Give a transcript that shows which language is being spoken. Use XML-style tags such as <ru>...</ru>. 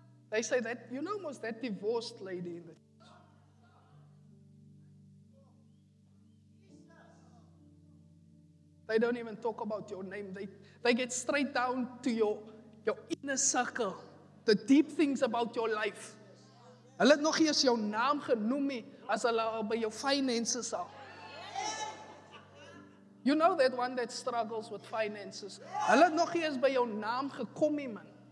<en>They say that, you know, most that divorced lady in the church. They don't They don't even talk about your name. They get straight down to your inner circle, the deep things about your life.</en> <af>Hulle het nog nie eens jou naam genoem nie as hulle by jou finances al.</af> <en>You know that one that struggles with finances.</en> <af>Hulle het nog nie eens by jou naam gekom nie, man.</af>